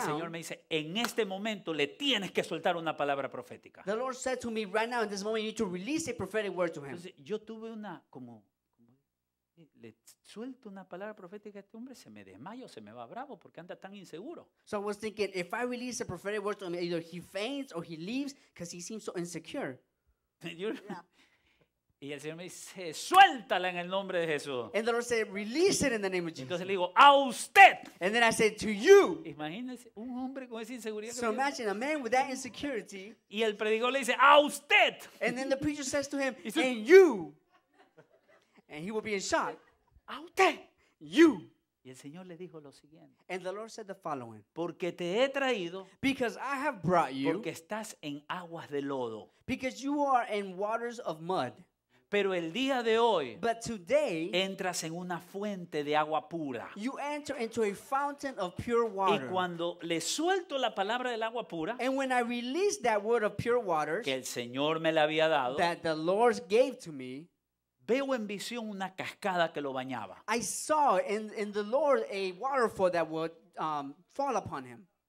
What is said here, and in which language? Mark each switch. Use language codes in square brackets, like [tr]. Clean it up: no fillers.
[es] El Señor me dice, en este momento le tienes que soltar una palabra profética. [en] The Lord said to me, right now, in this moment, you need to release a prophetic word to him. [es] Entonces yo tuve una como. Le suelto una palabra profética a este hombre, se me desmayo, se me va bravo porque anda tan inseguro. [en] So I was thinking, if I release a prophetic word to him, either he faints or he leaves because he seems so insecure. Yeah. [es] Y el Señor me dice, suéltala en el nombre de Jesús. [en] And the Lord said, release it in the name of Jesus. [es] Entonces le digo, a usted. [en] And then I said, to you. [es] Imagínese un hombre con esa inseguridad. [en] So imagine a man with that insecurity. [es] Y el predicador le dice, a usted. [en] And then the preacher says to him, and you. And he will be in shock. [es] A usted. [en] You. [es] Y el Señor le dijo lo siguiente. [en] And the Lord said the following. [es] Porque te he traído. [en] Because I have brought you. [es] Porque estás en aguas de lodo. [en] Because you are in waters of mud. [es] Pero el día de hoy. [en] But today. [es] Entras en una fuente de agua pura. [en] You enter into a fountain of pure water. [es] Y cuando le suelto la palabra del agua pura. [en] And when I release that word of pure waters. [es] Que el Señor me la había dado. [en] That the Lord gave to me. [es] Veo en visión una cascada que lo bañaba. [en] I saw in the Lord a waterfall that would fall upon him.